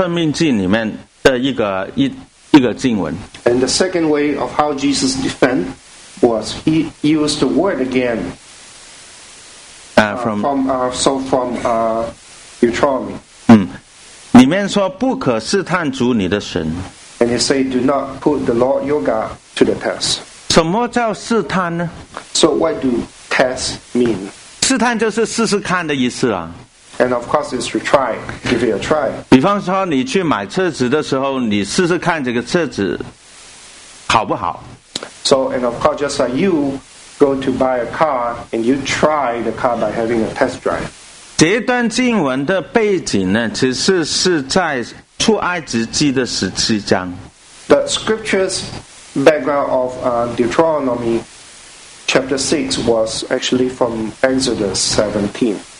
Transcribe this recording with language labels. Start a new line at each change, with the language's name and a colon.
Chinese: 第二个，耶稣对撒旦的反驳呢，就是他引用又是《生命记》里面的一个经文。
English: And the second way of how Jesus defend. Was he used the word again? From Deuteronomy.
Chinese: 里面说不可试探主你的神。
English: And he said, "Do not put the Lord your God to the test."
Chinese: 什么叫试探呢？
English: So what do test mean?
Chinese: 试探就是试试看的意思啊。
English: And of course, it's retry. Give it a try.
Chinese: 比方说，你去买车子的时候，你试试看这个车子好不好。
English: So, and of course, just like you go to buy a car and you try the car by having a test drive.
Chinese: 这一段经文的背景呢，其实是在出埃及记的十七章。
English: The scriptures background of Deuteronomy chapter 6 was actually from Exodus 17.